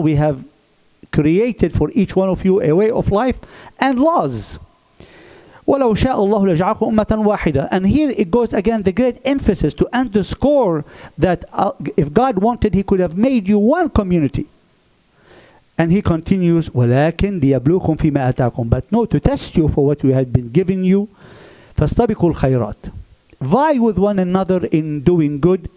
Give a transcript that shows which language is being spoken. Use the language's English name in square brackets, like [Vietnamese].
[English] We have created for each one of you a way of life and laws. [Arabic] وَلَوْ شَاءَ اللَّهُ لَجَعَلْكُمْ أُمَّةً وَاحِدًا. [English] And here it goes again, the great emphasis to underscore that if God wanted, he could have made you one community. And he continues, [Arabic] ولكن ليبلوكم فيما أتاكم. [English] But no, to test you for what we had been given you. [Arabic] فاستبقوا الخيرات. [English] Vie with one another in doing good.